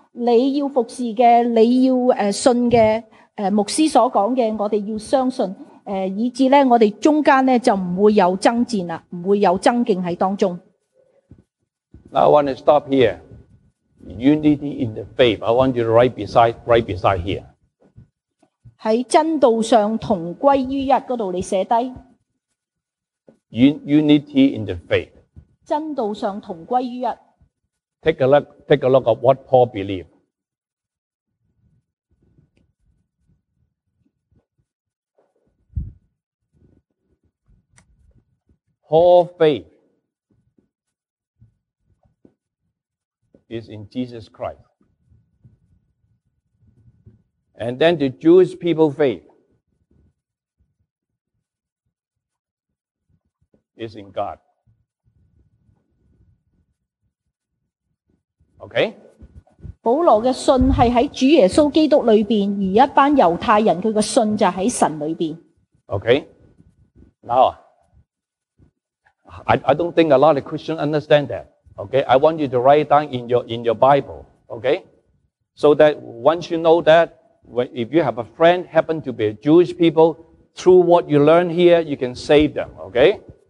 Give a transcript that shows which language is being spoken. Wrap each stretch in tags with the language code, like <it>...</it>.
<zh>所以保罗就是想要跟我们讲什么？保罗这里就要我们说，我们使我们众人在真道上同归于一。你要服侍的，你要信的， 牧师所讲的，我们要相信，以致我们中间就不会有争战，不会有争竞在当中。</zh> <en>Now I want to stop here. Unity in the faith. I want you to write beside, right beside here.</en> <zh>在真道上同归于一那里你写下。</zh> <en>Unity in the faith.</en> <zh>真道上同归于一。</zh> <en>Take a look at what Paul believed. Paul's faith is in Jesus Christ. And then the Jewish people's faith is in God. Okay?</en> <zh>保罗的信是在主耶稣基督里面，而一班犹太人他的信就在神里面。</zh> <en>Okay? Now, I don't think a lot of Christians understand that. Okay, I want you to write it down in your Bible. Okay, so that once you know that, if you have a friend happen to be a Jewish people, through what you learn here, you can save them. Okay.</en>